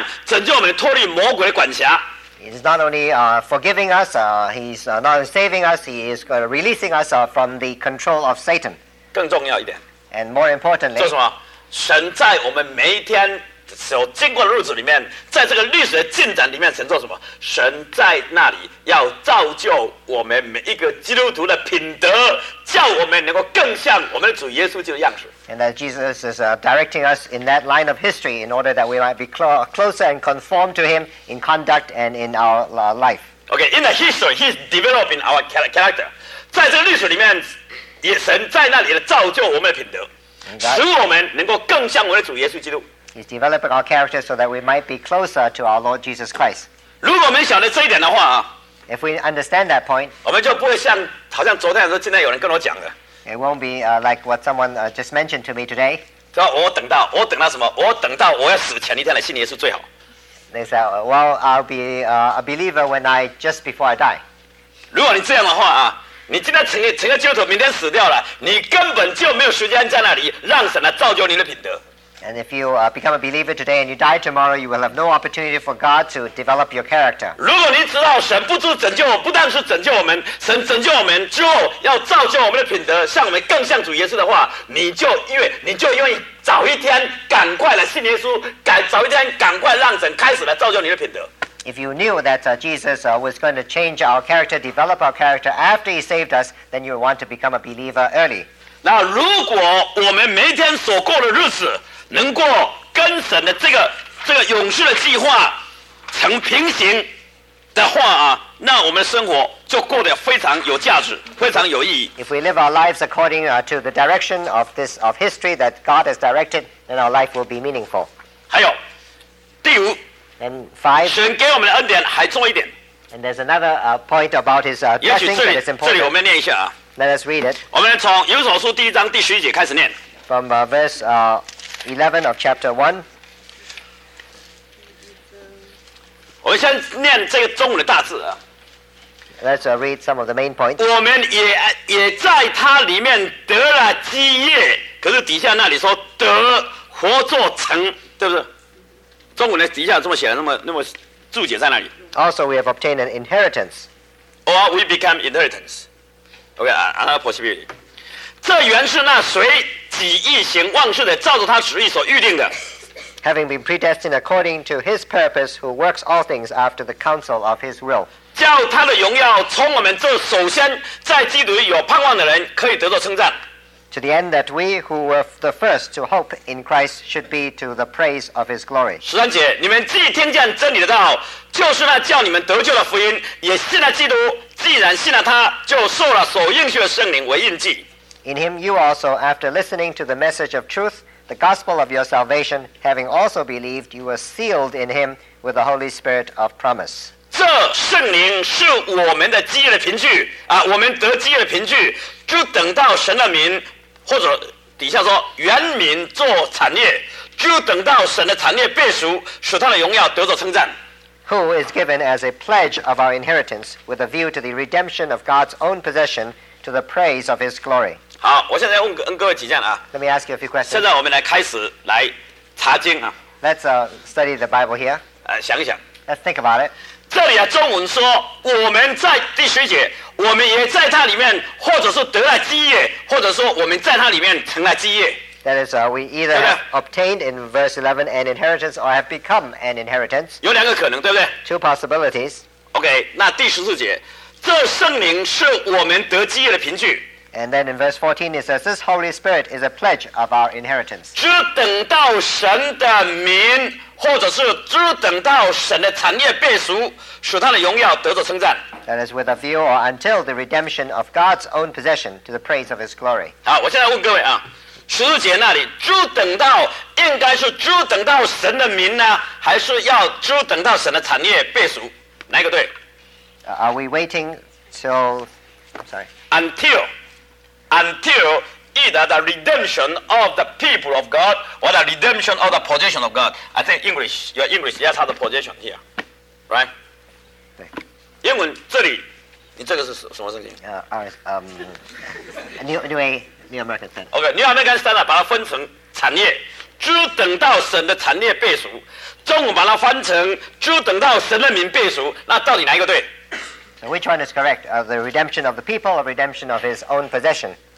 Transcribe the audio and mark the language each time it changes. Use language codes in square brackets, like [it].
[zh] 神不但是要拯救我们，不但是要赦免我们，拯救我们脱离罪的力量，拯救我们脱离魔鬼的管辖。 [en] He's not only forgiving us, he's not only saving us, he is releasing us from the control of Satan. [zh] 更重要一点， [en] and more importantly, [zh] 就是什么？神在我们每一天所经过的日子里面，在这个历史的进展里面，神做什么？神在那里要造就我们每一个基督徒的品德，叫我们能够更像我们的主耶稣基督的样式。 [en] And that Jesus is directing us in that line of history in order that we might be closer and conformed to Him in conduct and in our life. Okay, in the history, He's developing our character. [zh] 在这个历史里面。也神在那里造就我们的品德，使我们能够更像我们的主耶稣基督。 [en] He's developing our character so that we might be closer to our Lord Jesus Christ. [zh] 如果我们晓得这一点的话 [en] If we understand that point, [zh] 我们就不会像好像昨天说，今天有人跟我讲的。 [en] It won't be like what someone just mentioned to me today. [zh] 说我等到什么？我等到我要死前一天来信耶稣最好。 [en] They say, well, I'll be a believer when I just before I die. [zh] 如果你这样的话啊。你今天成个基督徒，明天死掉了，你根本就没有时间在那里让神来造就你的品德。 [en] And if you become a believer today and you die tomorrow, you will have no opportunity for God to develop your character. [zh] 如果你知道神不只拯救我，不但是拯救我们，神拯救我们之后要造就我们的品德，像我们更像主耶稣的话，你就愿意早一天赶快来信耶稣，早一天赶快让神开始来造就你的品德。 [en] If you knew that Jesus was going to change our character, develop our character after he saved us, then you would want to become a believer early. [zh] 那如果我们每天所过的日子能够跟神的这个永续的计划成平行的话啊，那我们生活就过得非常有价值，非常有意义。 [en] If we live our lives according to the direction of this of history that God has directed, then our life will be meaningful. [zh] 还有第五。 [en] And five, [zh] 神给我们的恩典还重一点。 [en] And there's another point about his blessing that is important. [zh] 这里我们念一下啊。 [en] Let us read it. [zh] 我们从以弗所书第一章第十一节开始念。 [en] From verse 11 of chapter 1. [zh] 我们先念这个中文的大字啊。 [en] Let's read some of the main points. [zh] 我们也在他里面得了基业，可是底下那里说得活作成，对不对？中文的底下这么写的，那么注解在那里。 [en] Also, we have obtained an inheritance, or we become inheritance. Okay, another possibility. [zh] 这原是那随己意行万事的，照着他旨意所预定的。 [en] Having been predestined according to his purpose, who works all things after the counsel of his will. [zh] 叫他的荣耀从我们这首先在基督里有盼望的人可以得到称赞。 [en] To the end that we who were the first to hope in Christ should be to the praise of His glory. [zh] 十三节，你们既听见真理的道，就是那叫你们得救的福音，也信了基督。既然信了他，就受了所应许的圣灵为印记。 [en] In Him you also, after listening to the message of truth, the gospel of your salvation, having also believed, you were sealed in Him with the Holy Spirit of promise. [zh] 这圣灵是我们的基业的凭据啊，我们得基业的凭据。就等到神的名，或者底下说原名做产业，就等到神的产业被赎，使他的荣耀得着称赞。 [en] Who is given as a pledge of our inheritance, with a view to the redemption of God's own possession, to the praise of His glory? [zh] 好，我现在问各位几件啊。 [en] Let me ask you a few questions. [zh] 现在我们来开始来查经啊。 [en] Let's study the Bible here. [zh] 想一想。 [en] Let's think about it. [zh] 这里啊，中文说我们在第十节。我们也在他里面，或者是得了基业，或者说我们在他里面成了基业。 [en] That is, we either have obtained in verse 11 an inheritance or have become an inheritance. [zh] 有两个可能，对不对 [en] ？Two possibilities. [zh] Okay, 那第十四节，这圣灵是我们得基业的凭据。 [en] And then in verse 14 it says, this Holy Spirit is a pledge of our inheritance. [zh] 只等到神的名，或者是只等到神的产业被赎，使他的荣耀得着称赞。 [en] That is with a view or until the redemption of God's own possession to the praise of his glory. [zh] 好，我现在问各位啊，十四节那里，只等到，应该是只等到神的名呢，还是要只等到神的产业被赎？哪个对？ [en] Are we waiting till, until either the redemption of the people of God or the redemption of the possession of God? I think English, your English, yes, has the possession here, right? [zh] 对。英文这里，你这个是什么圣经？ [en] New American Standard. [zh] Okay, New American Standard 把它分成产业，只等到神的产业被赎。中文把它翻成只等到神的名被赎。那到底哪一个对 [en] ？So which one is correct? Of the redemption of the people, or redemption of his own possession?